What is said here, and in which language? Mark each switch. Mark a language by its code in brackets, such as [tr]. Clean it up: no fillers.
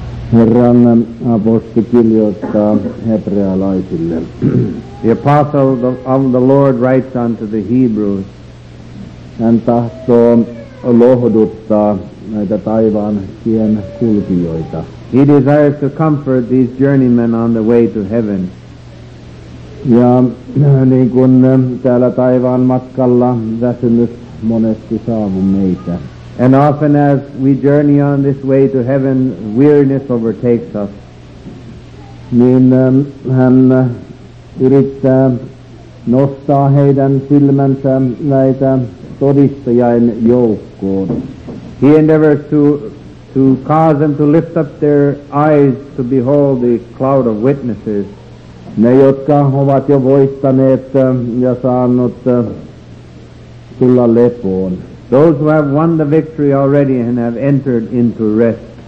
[fi] Herran apostoli kirjoittaa hebrealaisille. [en] The apostle of the Lord writes unto the Hebrews. [fi] Hän tahtoo lohduttaa näitä taivaan tien kulkijoita. [en] He desires to comfort these journeymen on the way to heaven. [fi] Ja niin kuin täällä taivaan matkalla väsymys monesti saavu meitä. [en] And often as we journey on this way to heaven, weariness overtakes us. [fi] Niin hän yrittää nostaa heidän silmänsä näitä todistajien joukkoon. [en] He endeavors to cause them to lift up their eyes to behold the cloud of witnesses. [fi] Ne, jotka ovat jo voittaneet ja saanut tulla lepoon. [en] Those who have won the victory already and have entered into rest.